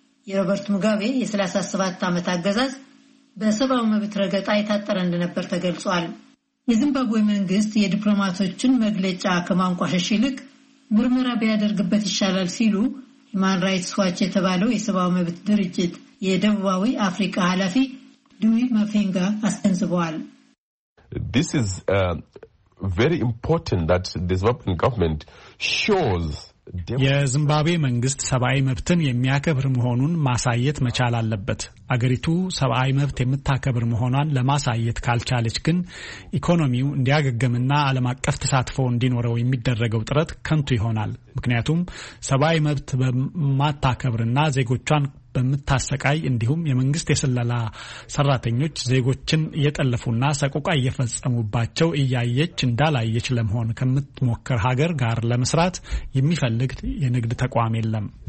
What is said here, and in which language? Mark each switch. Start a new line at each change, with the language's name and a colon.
Amharic: የሮበርት ሙጋቤ የ37 ዓመት አገዛዝ በሰብአዊ መብት ረገጣ የታጠረ እንደነበር ተገልጿል። የዚምባብዌ መንግስት የዲፕሎማቶችን መግለጫ ከማንቋሸሽ ይልቅ ምርመራ ቢያደርግበት ይሻላል ሲሉ ሂማን ራይትስ ዋች የተባለው የሰብአዊ መብት ድርጅት የደቡባዊ አፍሪካ ኃላፊ ዱዊ ማፌንጋ አስገንዝበዋል።
English: This is very important that the Zimbabwean government shows
Amharic: የዝምባብዌ መንግስት ሰብአዊ መብትን የሚያከብር መሆኑን ማሳየት መቻል አለበት። አገሪቱ ሰብአዊ መብት የምታከብር መሆኗን ለማሳየት ካልቻለች ግን ኢኮኖሚው እንዲያገግምና ዓለም አቀፍ ተሳትፎ እንዲኖረው የሚደረገው ጥረት ከንቱ ይሆናል። ምክንያቱም ሰብአዊ መብት በማታከብርና ዜጎቿን በመታሰቃይ እንዲሁም የመንግስት የሰላላ ሰራተኞች ዜጎችን የጠለፉና ሰቆቃ እየፈጸሙባቸው እያየች እንዳላየች ለመሆን ከምትሞክር ሀገር ጋር ለመስራት የሚፈልግ የንግድ ተቋም የለም።